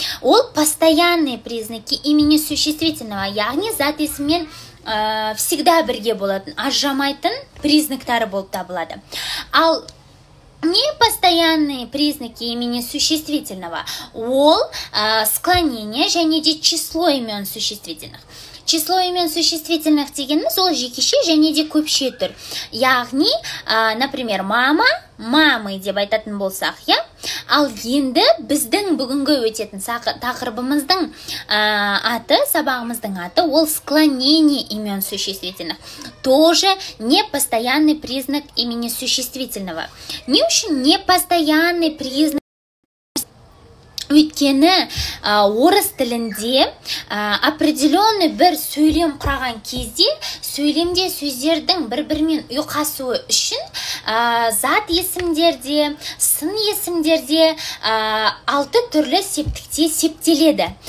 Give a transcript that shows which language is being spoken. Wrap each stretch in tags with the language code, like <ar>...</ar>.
<kk>Ол</kk> <ru>постоянные признаки имени существительного,</ru> <kk>яғни зат есімен</kk> <ru>всегда</ru> <kk>бірге болатын, ажырамайтын признактары болып табылады.</kk> <ru>Ал непостоянные признаки имени существительного, ол склонение, және де число имен существительных. Число имен существительных</ru> <kk>дегеніміз, ол жекеше және де көпше тұр. Яғни,</kk> <ru>например,</ru> <kk>мама, мамы деп айтатын болсақ, я? Ал енді біздің бүгінгі өтетін тақырыбымыздың аты, сабағымыздың аты, ол</kk> <ru>склонение имен существительных. Тоже непостоянный признак имени существительного.</ru> <kk>Не үшін</kk> <ru>непостоянный признак.</ru> <kk>Өйткені орыс тілінде</kk> <ru>определенный</ru> <kk>бір сөйлем құраған кезде сөйлемде сөздердің бір-бірмен ұйқасуы үшін зат есімдерде, сын есімдерде алты түрлі септікте септеледі.</kk>